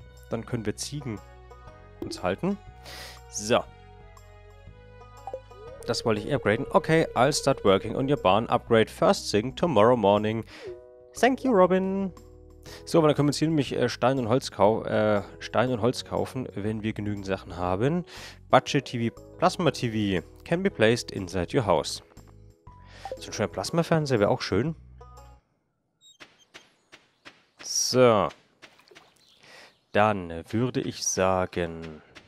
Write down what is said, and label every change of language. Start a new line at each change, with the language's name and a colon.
German: Dann können wir Ziegen uns halten. So. Das wollte ich upgraden.
English: Okay, I'll start working on your barn upgrade first thing tomorrow morning. Thank you, Robin.
German: So, aber dann können wir uns hier nämlich Stein und Holz kaufen, wenn wir genügend Sachen haben.
English: Budget-TV, Plasma-TV can be placed inside your house.
German: So ein schöner Plasma-Fernseher wäre auch schön. So. Dann würde ich sagen...